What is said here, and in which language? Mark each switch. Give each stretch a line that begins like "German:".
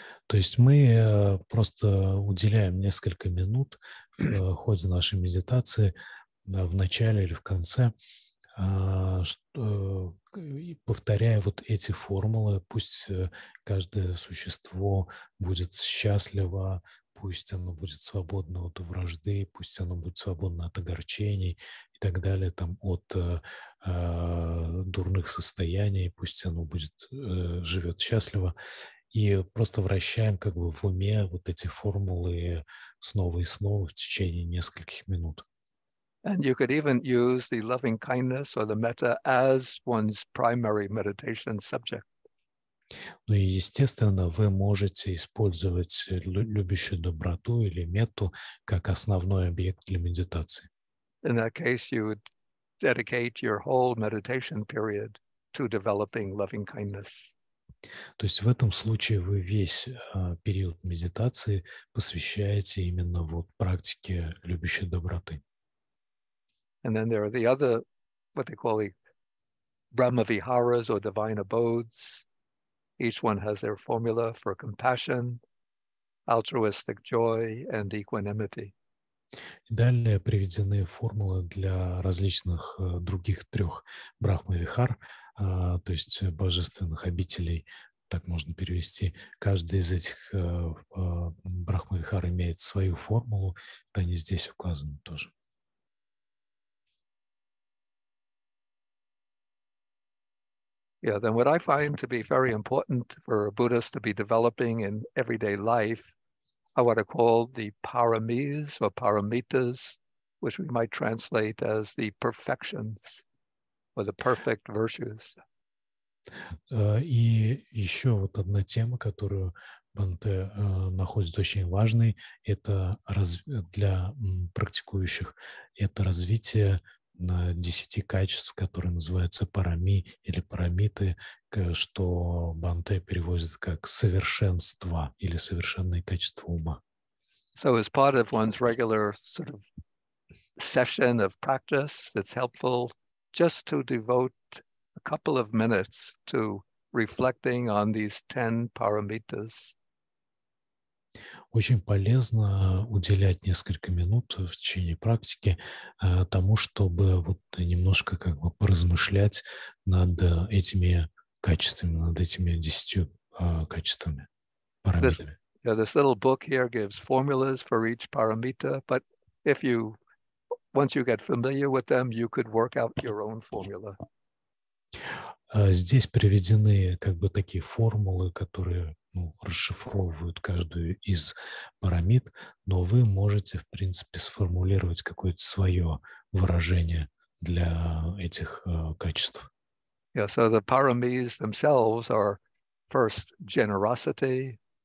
Russian: То есть мы просто уделяем несколько минут в ходе нашей медитации в начале или в конце, и повторяя вот эти формулы, пусть каждое существо будет счастливо, пусть оно будет свободно от вражды, пусть оно будет свободно от огорчений и так далее, там, от дурных состояний, пусть оно будет, живет счастливо. И просто вращаем как бы в уме вот эти формулы снова и снова в течение нескольких минут.
English: And you could even use the loving kindness or the metta as one's primary meditation subject.
Russian: Ну и естественно, вы можете использовать любящую доброту или метту как основной объект для медитации.
English: In that case, you would dedicate your whole meditation period to developing loving kindness.
Russian: То есть в этом случае вы весь период медитации посвящаете именно вот практике любящей доброты.
English: And then there are the other, what they call the Brahma-viharas or divine abodes. Each one has their formula for compassion, altruistic joy, and equanimity.
Russian: Далее приведены формулы для различных других трех брахма-вихар, то есть божественных обителей, так можно перевести. Каждый из этих брахма-вихар имеет свою формулу, они здесь указаны тоже.
English: Yeah, then what I find to be very important for Buddhists to be developing in everyday life are what are called the paramis or paramitas, which we might translate as the perfections or the perfect virtues.
Russian: И еще вот одна тема, которую Банте находит очень важной, это для практикующих, это развитие на 10 качеств, которые называются парами или парамиты, что Банте переводит как совершенство или совершенные качества ума.
English: So as part of one's regular sort of session of practice, it's helpful just to devote a couple of minutes to reflecting on these 10 paramitas.
Russian: Очень полезно уделять несколько минут в течение практики тому, чтобы вот немножко как бы поразмышлять над этими качествами, над этими 10 качествами, парамитами.
English: Yeah, this little book here gives formulas for each paramita, but once you get familiar with them, you could work out your own formula.
Russian: Здесь приведены как бы такие формулы, которые расшифровывают каждую из парамид, но вы можете, в принципе, сформулировать какое-то свое выражение для этих качеств.
English: Yeah, so the paramis themselves are first generosity.